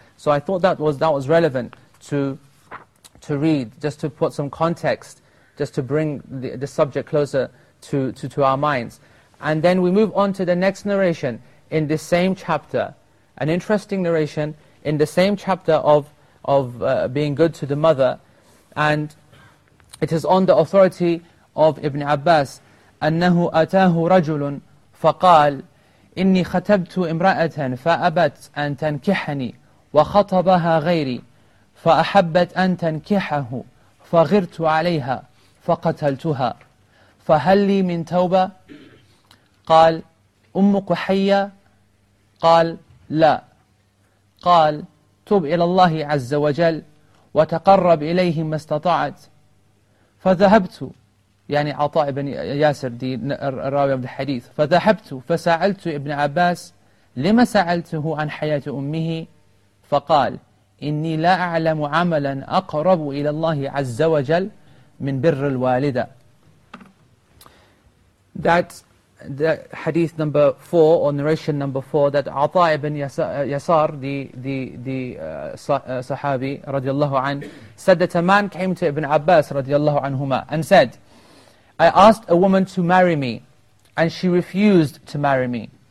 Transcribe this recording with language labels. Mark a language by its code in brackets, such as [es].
[en] So I thought that was relevant to read, just to put some context, just to bring the subject closer to our minds. And then we move on to the next narration in the same chapter, an interesting narration in the same chapter of being good to the mother. And it is on the authority of Ibn Abbas. [ar] أَنَّهُ أَتَاهُ رَجُلٌ فَقَالَ إِنِّي خَتَبْتُ إِمْرَأَةً فَأَبَتْ أَن تَنْكِحَنِي وَخَطَبَهَا غَيْرِي فَأَحَبَّتْ أَن تَنْكِحَهُ فَغِرْتُ عَلَيْهَا فَقَتَلْتُهَا فَهَلْ لِي مِنْ تَوْبَةٍ قال أمك حية قال لا قال تب إلى الله عز وجل وتقرب إليه ما استطعت فذهبت يعني عطاء بن ياسر دي الراوي عبد الحديث فذهبت فسألت ابن عباس لما سألته عن حياة أمه فقال إني لا أعلم عملا أقرب إلى الله عز وجل من بر الوالدة. [en] That's the hadith number 4 or narration number 4 that عطاء بن يسار the صحابي رضي الله عنه said that a man came to ابن عباس رضي الله عنهما and said, I asked a woman to marry me, and she refused to marry me.